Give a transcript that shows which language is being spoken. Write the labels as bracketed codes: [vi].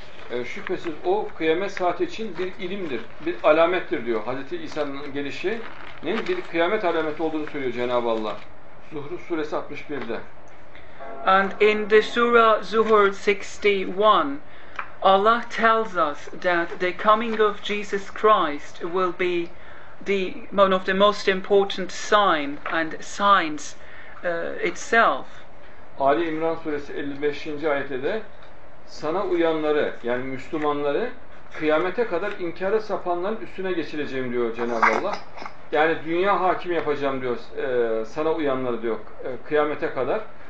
[tr] Şüphesiz o kıyamet saati için bir ilimdir, bir alamettir diyor. Hazreti İsa'nın gelişinin bir kıyamet alameti olduğunu söylüyor Cenab-ı Allah. Zuhruf suresi 61'de. [en] And in the surah Zuhur 61, Allah tells us that the coming of Jesus Christ will be the one of the most important sign and signs itself. [tr] Ali İmran suresi 55. ayette de sana uyanları yani Müslümanları kıyamete kadar inkara sapanların üstüne geçireceğim diyor Cenab-ı Allah. Yani dünya hakim yapacağım diyor sana uyanları diyor kıyamete kadar.